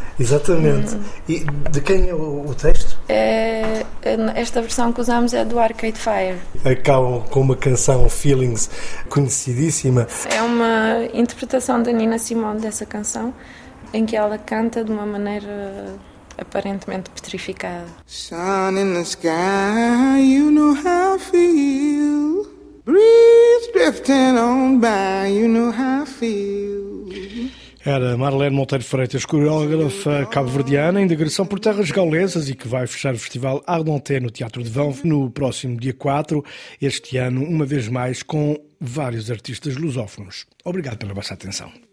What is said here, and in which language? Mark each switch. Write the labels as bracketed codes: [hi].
[pt] Exatamente. E de quem é o texto? Esta versão que usamos é do Arcade Fire. Acabam com uma canção, Feelings, conhecidíssima. É uma interpretação da Nina Simone dessa canção, em que ela canta de uma maneira aparentemente petrificada. [en] Sun in the sky, you know how I feel. Breeze drifting on by, you know how I feel. [pt] Era Marlene Monteiro Freitas, coreógrafa cabo-verdiana, em digressão por terras gaulesas e que vai fechar o Festival Ardenté no Teatro de Vanves no próximo dia 4, este ano, uma vez mais, com vários artistas lusófonos. Obrigado pela vossa atenção.